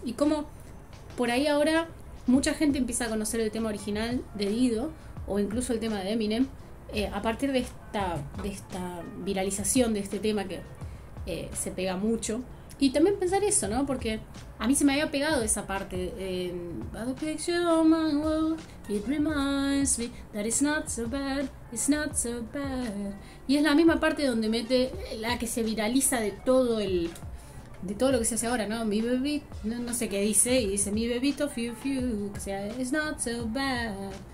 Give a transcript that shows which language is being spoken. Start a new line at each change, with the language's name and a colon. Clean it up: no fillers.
Spanish: Y cómo por ahí ahora mucha gente empieza a conocer el tema original de Dido, o incluso el tema de Eminem, a partir de esta viralización de este tema que se pega mucho. Y también pensar eso, ¿no? Porque a mí se me había pegado esa parte.
English: But the picture on my wall, it reminds me that it's not so bad, it's not so bad.
Spanish: Y es la misma parte donde mete la que se viraliza de todo lo que se hace ahora, ¿no? Mi bebito, no, no sé qué dice, y dice mi bebito, fiu fiu, o sea,
English: it's not so bad.